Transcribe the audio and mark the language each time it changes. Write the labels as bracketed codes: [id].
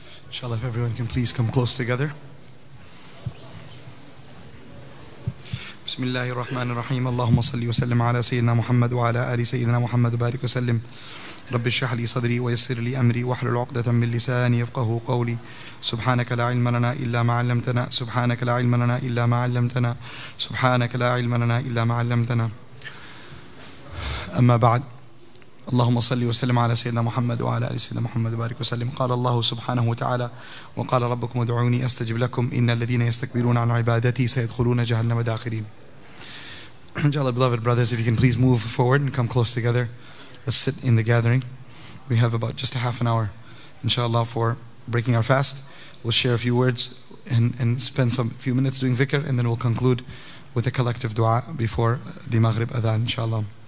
[en] Shall I have everyone can please come close together? [ar] بسم الله الرحمن الرحيم اللهم صل وسلم على سيدنا محمد وعلى آل سيدنا محمد بارك وسلم رب اشرح لي صدري ويسر لي أمري واحلل عقدة من لساني يفقه قولي سبحانك لا علم لنا إلا ما علمتنا سبحانك لا علم لنا إلا ما علمتنا سبحانك لا علم لنا إلا ما علمتنا أما بعد اللهم صل وسلم على سيدنا محمد وعلى آل سيدنا محمد بارك وسلم قال الله سبحانه وتعالى وقال ربكم ادعوني أستجب لكم إن الذين يستكبرون عن عبادتي سيدخلون جهنم داخرين. [en] Inshallah, beloved brothers, if you can please move forward and come close together. Let's sit in the gathering. We have about just a half an hour, inshallah, for breaking our fast. We'll share a few words and spend some few minutes doing dhikr, and then we'll conclude with a collective dua before the Maghrib adhan, inshallah.